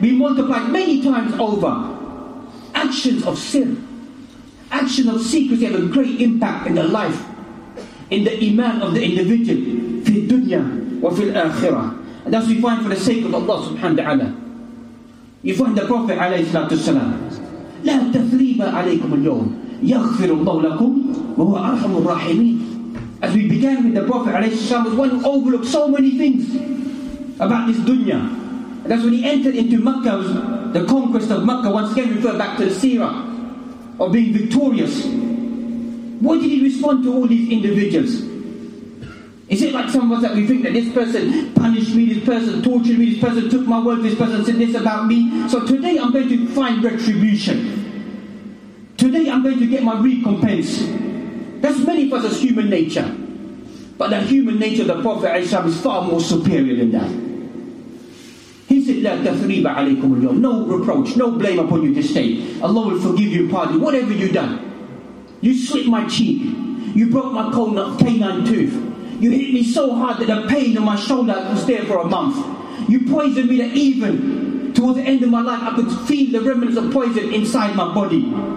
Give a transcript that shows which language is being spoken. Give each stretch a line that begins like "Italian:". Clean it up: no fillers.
English: Be multiplied many times over. Actions of sir, actions of secrecy have a great impact in the life, in the iman of the individual.
Arabic: Fi dunya wa fil akhirah.
English: And that's what we find for the sake of Allah subhanahu wa ta'ala. You find the Prophet alayhi salatu wasalam.
Arabic: لا تثريب عليكم اليوم يغفر الله لكم وهو أرحم الراحمين.
English: As we began with the Prophet alayhi salatu wasalam, one who overlooked so many things about this dunya. And that's when he entered into Makkah, the conquest of Makkah, once again referred back to the seerah of being victorious. What did he respond to all these individuals? Is it like some of us that we think that this person punished me, this person tortured me, this person took my word, this person said this about me, so today I'm going to find retribution. Today I'm going to get my recompense. That's many of us as human nature. But the human nature of the Prophet ﷺ is far more superior than that. He said,
Arabic: لا تثريب عليكم اليوم.
English: No reproach, no blame upon you this day. Allah will forgive you, pardon you, whatever you've done. You slit my cheek. You broke my canine tooth. You hit me so hard that the pain in my shoulder was there for a month. You poisoned me that even towards the end of my life, I could feel the remnants of poison inside my body.